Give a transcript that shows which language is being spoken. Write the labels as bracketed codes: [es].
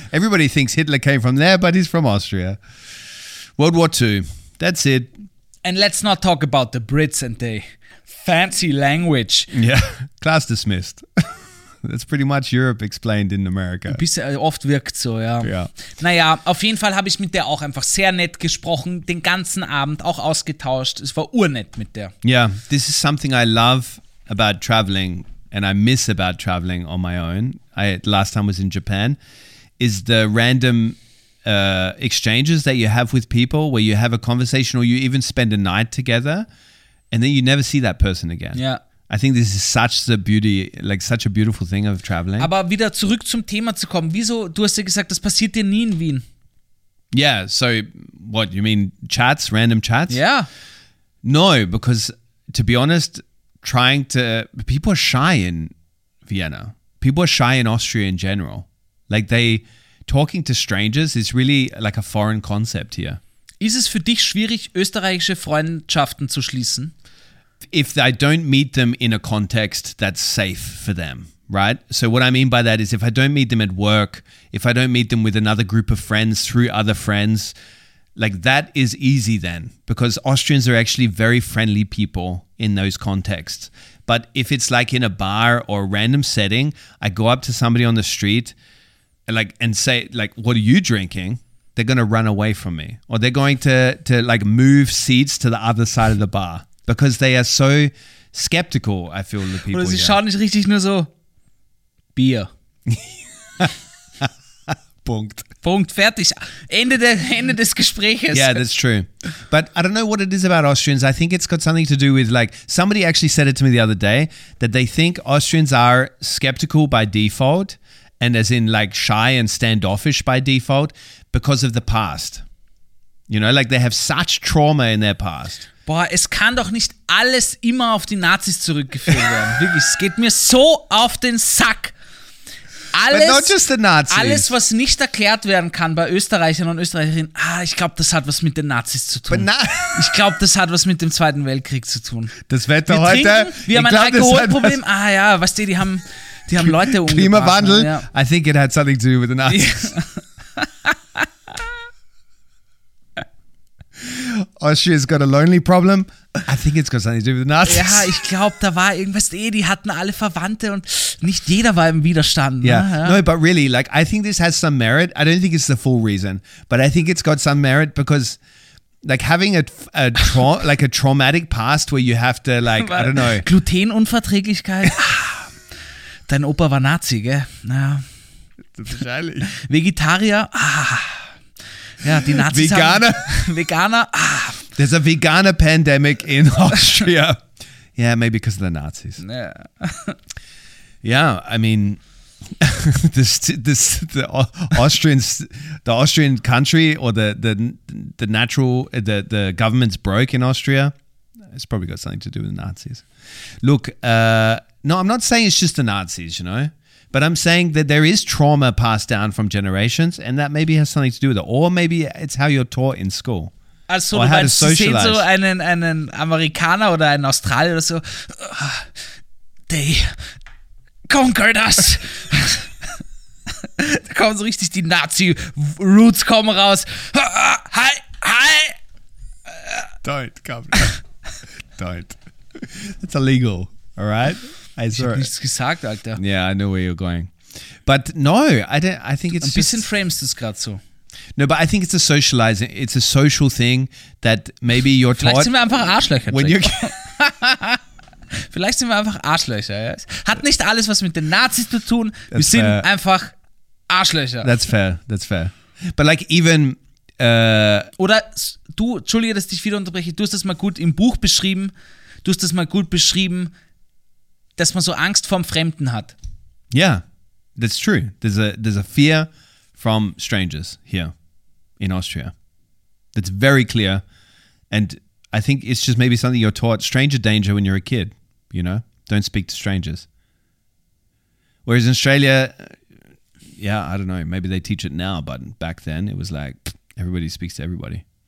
[en] Everybody thinks Hitler came from there, but he's from Austria. World War II. That's it. And let's not talk about the Brits and their fancy language. Yeah. Class dismissed. That's pretty much Europe explained in America. [de] Oft wirkt so, ja. Ja. Naja, auf jeden Fall habe ich mit der auch einfach sehr nett gesprochen, den ganzen Abend auch ausgetauscht. Es war urnett mit der. [en] Yeah, this is something I love about traveling and I miss about traveling on my own. Last time was in Japan. Is the random exchanges that you have with people where you have a conversation or you even spend a night together and then you never see that person again. Yeah. I think this is such the beauty, like such a beautiful thing of traveling. [de] Aber wieder zurück zum Thema zu kommen. Wieso, du hast ja gesagt, das passiert dir nie in Wien. [en] Yeah, so what, you mean chats, random chats? Yeah. No, because to be honest, people are shy in Vienna. People are shy in Austria in general. Like talking to strangers is really like a foreign concept here. [de] Ist es für dich schwierig, österreichische Freundschaften zu schließen? [en] If I don't meet them in a context that's safe for them, right? So what I mean by that is if I don't meet them at work, if I don't meet them with another group of friends through other friends, like that is easy then because Austrians are actually very friendly people in those contexts. But if it's like in a bar or a random setting, I go up to somebody on the street and say, what are you drinking? They're going to run away from me or they're going to like move seats to the other side of the bar. Because they are so skeptical, I feel, the people. [de] Oder sie schauen nicht richtig, nur so, Bier. Punkt. Punkt, fertig. Ende des Gespräches. [en] Yeah, that's true. But I don't know what it is about Austrians. I think it's got something to do with, like, somebody actually said it to me the other day, that they think Austrians are skeptical by default, and as in, like, shy and standoffish by default, because of the past. You know, like, they have such trauma in their past. [de] Boah, es kann doch nicht alles immer auf die Nazis zurückgeführt werden. Wirklich, es geht mir so auf den Sack. Alles, [en] but not just the Nazis. [de] Alles, was nicht erklärt werden kann bei Österreichern und Österreicherinnen, ich glaube, das hat was mit den Nazis zu tun. Ich glaube, das hat was mit dem Zweiten Weltkrieg zu tun. Das Wetter wir heute. Wir haben ein Alkoholproblem. Ah ja, weißt du, die haben Leute umgebracht. Klimawandel. [en] Ja. I think it had something to do with the Nazis. Austria's got a lonely problem. I think it's got something to do with the Nazis. [de] Ja, ich glaube, da war irgendwas, die hatten alle Verwandte und nicht jeder war im Widerstand. Ne? [en] Yeah. Ja. No, but really, like, I think this has some merit. I don't think it's the full reason, but I think it's got some merit because, like, having a traumatic past where you have to, like, I don't know. [de] Glutenunverträglichkeit. Dein Opa war Nazi, gell? Ja. Wahrscheinlich. Vegetarier. Ja, die Nazis Veganer. Haben, Veganer. [en] There's a veganer pandemic in Austria. Yeah, maybe because of the Nazis. Yeah. Yeah, I mean, the government's broke in Austria. It's probably got something to do with the Nazis. Look, no, I'm not saying it's just the Nazis, you know? But I'm saying that there is trauma passed down from generations and that maybe has something to do with it. Or maybe it's how you're taught in school. Also, or how to socialize. [de] Sie sehen so einen Amerikaner oder einen Australier oder so. [en] They conquered us. [de] Da kommen so richtig die Nazi-Roots kommen raus. [en] Hi. Don't, come. Don't. It's illegal, all right? [de] Ich hab nichts gesagt, Alter. [en] Yeah, I know where you're going. But no, I think it's [de] ein bisschen frames das gerade so. [en] No, but I think it's a socializing, it's a social thing that maybe you're taught. [de] Vielleicht sind wir einfach Arschlöcher. [en] When you're [de] Vielleicht sind wir einfach Arschlöcher. Ja? Hat nicht alles was mit den Nazis zu tun. Wir sind einfach Arschlöcher. [en] That's fair. But like even... [de] Oder du, entschuldige, dass ich dich wieder unterbreche, du hast das mal gut im Buch beschrieben, dass man so Angst vorm Fremden hat. [en] Yeah, that's true. There's a fear from strangers here in Austria. That's very clear. And I think it's just maybe something you're taught, stranger danger when you're a kid, you know? Don't speak to strangers. Whereas in Australia, yeah, I don't know, maybe they teach it now, but back then it was like, everybody speaks to everybody.